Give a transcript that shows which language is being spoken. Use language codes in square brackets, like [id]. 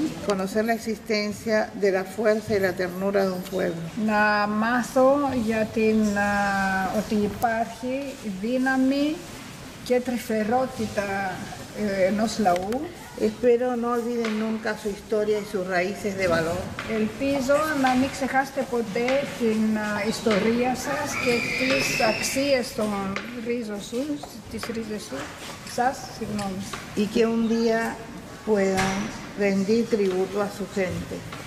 [es] Conocer la existencia de la fuerza y la ternura de un pueblo. [el] Να μάθω για την ότι υπάρχει δύναμη Και τρυφερότητα ενός λαού. [es] Espero no olviden nunca su historia y sus raíces de valor. [el] Ελπίζω να μην ξεχάσετε ποτέ την ιστορία σας και τις αξίες των ρίζων σου, τις ρίζες σου, σας, συγγνώμη. [es] Y que un día puedan rendir tributo a su gente.